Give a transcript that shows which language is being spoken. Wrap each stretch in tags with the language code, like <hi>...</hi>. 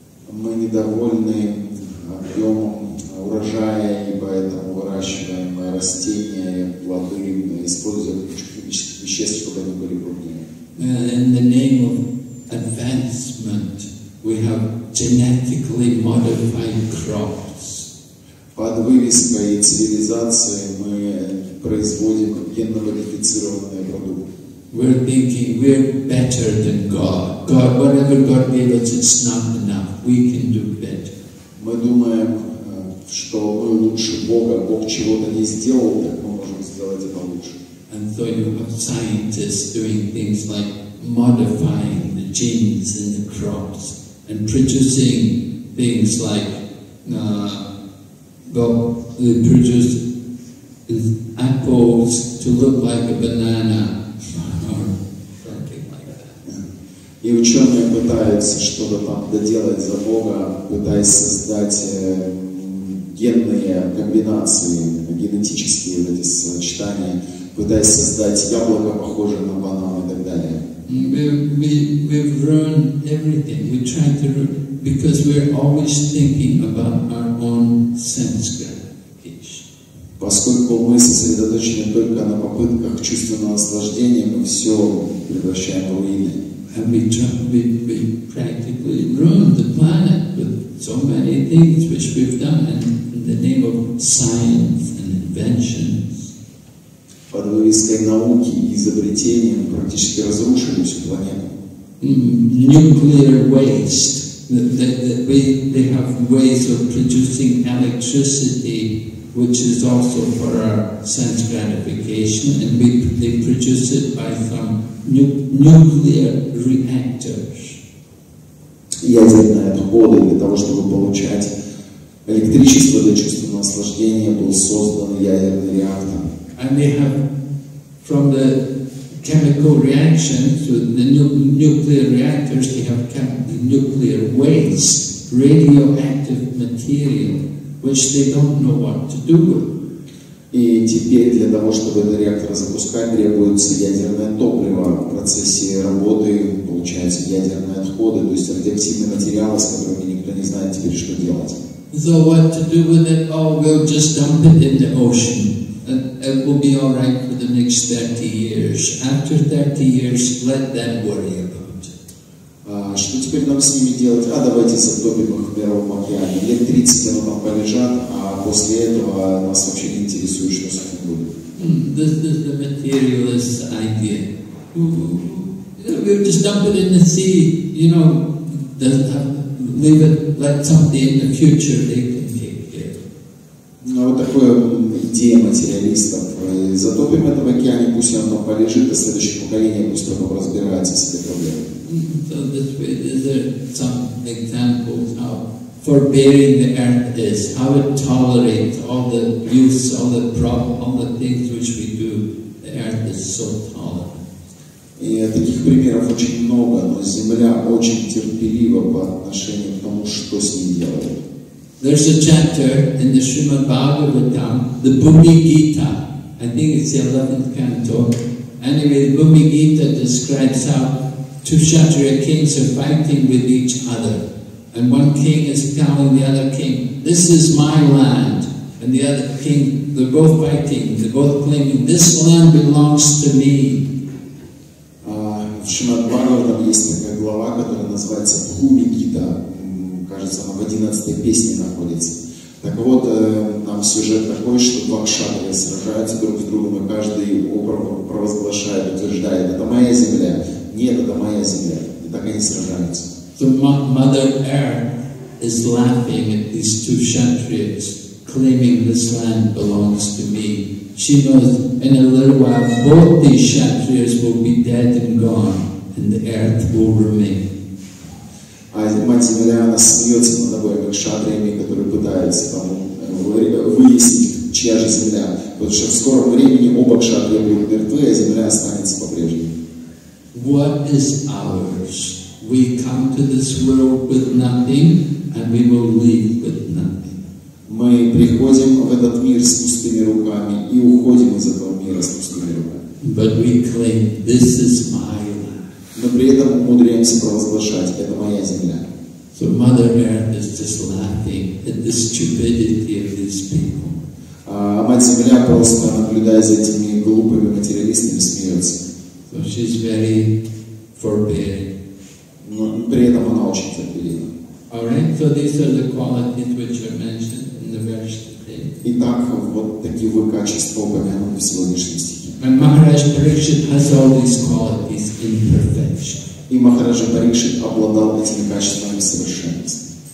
<ru>Мы недовольны объемом урожая, и поэтому выращиваем растения, плоды, используя химические вещества, чтобы они были крупнее.</ru> <en>In the name of advancement, we have genetically modified crops.</en> <ru>Под вывеской цивилизации мы производим генно-модифицированные продукты.</ru> <en>We're thinking we're better than God. God, whatever God gave us, it's not enough. We can do better.</en> <ru>Мы думаем, что мы лучше Бога. Бог чего-то не сделал, так мы можем сделать это лучше.</ru> <en>And so you have scientists doing things like modifying the genes in the crops and producing things like they produce apples to look like a banana or something like that.</en> <ru>И ученые пытаются что-то там доделать за Бога, пытаясь создать генные комбинации, генетические вот эти сочетания, пытаясь создать яблоко, похожее на банан и так далее.</ru> <en>We've ruined everything. We try to ruin because we're always thinking about our own sense gratification.</en> <ru>Поскольку мы сосредоточены только на попытках чувственного наслаждения, мы все превращаем в руины.</ru> <en>And we practically ruined the planet with so many things which we've done in the name of science and invention.</en> <ru>Под вывеской науки и изобретения мы практически разрушили всю планету.</ru> <en>Nuclear waste. They have ways of producing electricity, which is also for our sense gratification, and they produce it by some nuclear reactors.</en> <ru>Ядерные отходы для того, чтобы получать электричество для чувственного наслаждения, был создан ядерный реактор.</ru> <en>And they have, from the chemical reactions, with the nuclear reactors, they have the nuclear waste, radioactive material, which they don't know what to do with.</en> <ru>И теперь для того, чтобы этот реактор запускать, требуется ядерное топливо. В процессе работы получаются ядерные отходы, то есть радиоактивные материалы, с которыми никто не знает теперь, что делать.</ru> <en>So what to do with it? Oh, we'll just dump it in the ocean. And it will be all right for the next next 30 years. After 30 years, let them worry about it.</en> <ru>Что теперь нам с ними делать? А давайте затопим их в Мировом океане. Лет 30 они там полежат, а после этого нас вообще не интересует, что с ними будет.</ru> <en>This is the materialist idea. We'll just dump it in the sea, you know, doesn't have, leave it, let somebody in the future, they can take care.</en> <ru>Ну, вот такая идея материалистов. Затопим это в океане, пусть оно полежит, а следующее поколение пусть оно разбирается с этой проблемой.</ru> <en>So this way, these are some examples how forbearing the earth is, how it tolerates all the use, all the problem, all the things which we do. The earth is so tolerant.</en> <ru>И таких примеров очень много, но Земля очень терпелива по отношению к тому, что с ней делают.</ru> <en>There's a chapter in the Srimad Bhagavatam, the Bhumi Gita. I think it's the 11th canto. Anyway, the Bhumi Gita describes how two Kshatriya kings are fighting with each other. And one king is telling the other king, this is my land. And the other king, they're both fighting, they're both claiming, this land belongs to me.</en> <ru>В Шримад Бхагаватам есть такая глава, которая называется Бхуми Гита. Кажется, она в 11-й песне находится. Так вот, там сюжет такой, что два кшатрия сражаются друг с другом, и каждый провозглашает, утверждает, это моя земля. Нет, это моя земля. И так они сражаются.</ru> <en>So Mother Earth is laughing at these two kshatriyas, claiming this land belongs to me. She knows in a little while both these kshatriyas will be dead and gone, and the earth will remain.</en> <ru>А мать земля, она смеется над тобой, как кшатриями, которые пытаются там выяснить, чья же земля. Потому что в скором времени оба кшатрия будут мертвы, а земля останется по-прежнему.</ru> <en>What is ours? We come to this world with nothing, and we will leave with nothing.</en> <ru>Мы приходим в этот мир с пустыми руками и уходим из этого мира с пустыми руками.</ru> <en>But we claim, this is my land.</en> <ru>Но при этом умудряемся провозглашать, это моя земля.</ru> <en>So Mother Earth is just laughing at the stupidity of these people.</en> <ru>А мать земля просто наблюдая за этими глупыми материалистами смеется.</ru> <en>So she's very forbearing.</en> <ru>Но при этом она очень терпелива.</ru> <en>Alright, so these are the qualities which are mentioned.</en> <ru>Итак, вот такие вы качества упомянуты в сегодняшнем стихе.</ru> <en>And Maharaj Parikshit has all these qualities in perfection.</en> <ru>И Махараджа Парикшит обладал этими качествами совершенства.</ru>